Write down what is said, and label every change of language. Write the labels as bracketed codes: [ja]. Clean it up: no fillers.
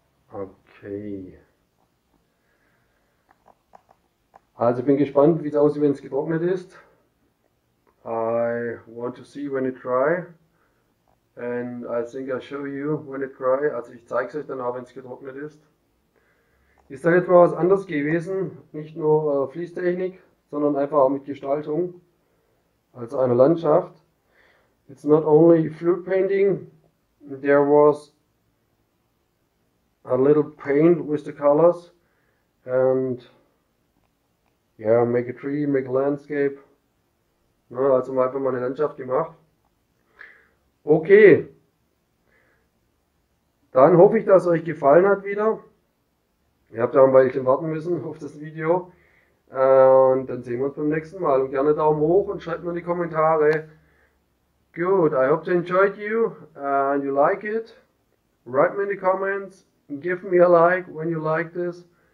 [de] Okay. Also ich bin gespannt, wie es aussieht, wenn es getrocknet ist. [en] I want to see when it dry. And I think I'll show you when it dry. [de] Also ich zeige es euch dann auch, wenn es getrocknet ist. Ist da jetzt mal was anderes gewesen? Nicht nur Fließtechnik, sondern einfach auch mit Gestaltung, also eine Landschaft. [en] It's not only flute painting, there was a little paint with the colors and yeah, make a tree, make a landscape. [de] Ja, also einfach mal eine Landschaft gemacht. Okay, dann hoffe ich, dass es euch gefallen hat wieder. Ihr habt ja ein bisschen warten müssen auf das Video. Und dann sehen wir uns beim nächsten Mal. Und gerne Daumen hoch und schreibt mir in die Kommentare. [en] Good, I hope you enjoyed you and you like it. Write me in the comments. Give me a like when you like this.